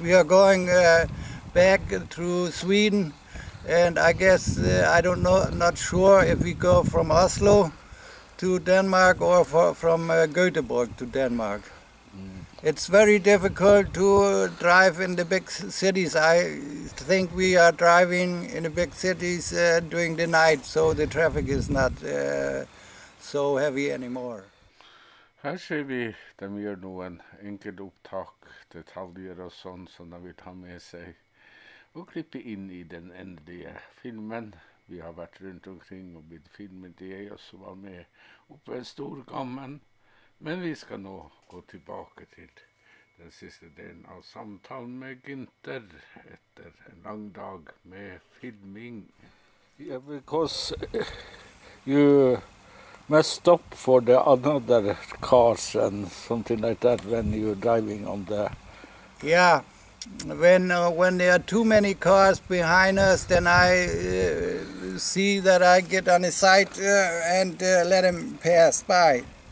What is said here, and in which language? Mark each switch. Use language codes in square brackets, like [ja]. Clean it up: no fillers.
[en] We are going back through Sweden, and I guess, I don't know, not sure if we go from Oslo to Denmark or from Göteborg to Denmark. It's very difficult to drive in the big cities. I think we are driving in the big cities during the night, so the traffic is not so heavy anymore. [no] Her ser vi dem gjør noen enkelte opptak, detaljer og sånn som de vil ta med seg og klippe inn i den endelige filmen. Vi har vært rundt omkring og blitt filmet det, jeg også var med oppe ved Storgammen. Men vi skal nå gå tilbake til den siste delen av samtalen med Gunther etter en lang dag med filming. [en] Yeah, because you must stop for the other cars and something like that when you're driving on the... Yeah, when there are too many cars behind us, then I see that I get on the side and let them pass by.